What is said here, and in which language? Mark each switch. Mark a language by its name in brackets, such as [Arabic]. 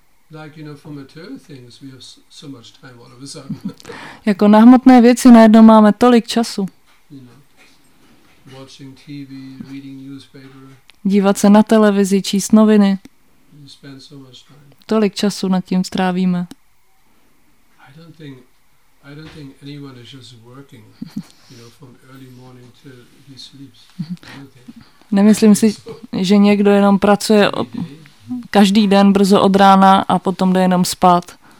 [English] Like, you know, for material things we have so much time all of a sudden. [Czech] Jako na hmotné věci najednou máme tolik času. [English] You know, watching TV, reading newspaper. [Czech] Dívat se na televizi, číst noviny. [English] You spend so much time. [Czech] Tolik času nad tím strávíme. [English] I don't think anyone is just working, you know, from early morning till he sleeps. [Czech] Nemyslím si, že někdo jenom pracuje každý den brzo od rána a potom jde jenom spát.